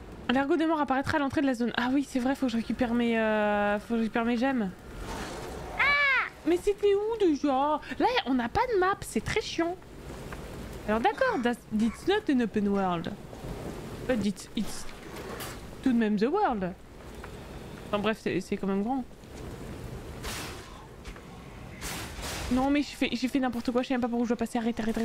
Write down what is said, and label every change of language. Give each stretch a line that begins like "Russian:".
French: L'ergot de mort apparaîtra à l'entrée de la zone. Ah oui, c'est vrai, faut que je récupère mes... faut que je récupère mes gemmes. Ah ! Mais c'était où déjà ? Là, on n'a pas de map, c'est très chiant. Alors d'accord,
English: it's not an open world. But it's
French: tout de même
English: the world.
French: Enfin bref, c'est quand même grand. Non mais j'ai fait n'importe quoi, je sais même pas par où je dois passer. Arrête.